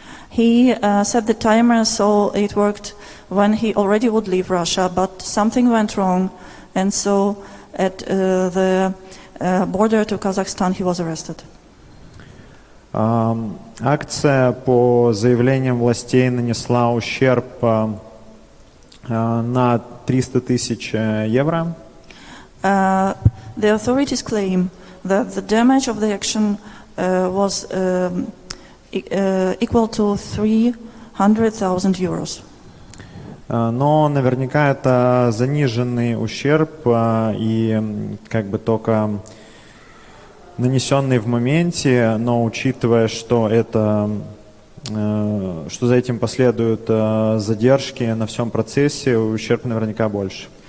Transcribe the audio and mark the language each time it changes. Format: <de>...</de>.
<en>He set the timer so it worked when he already would leave Russia, but something went wrong, and so at the border to Kazakhstan he was arrested.</en> <ru>Акция по заявлениям властей нанесла ущерб на 300 тысяч евро.</ru> <en>The authorities claim that the damage of the action was equal to 300,000 euros.</en> <ru>Но наверняка это заниженный ущерб и как бы только нанесенный в моменте, но учитывая, что это, что за этим последуют задержки на всем процессе, ущерб наверняка больше.</ru>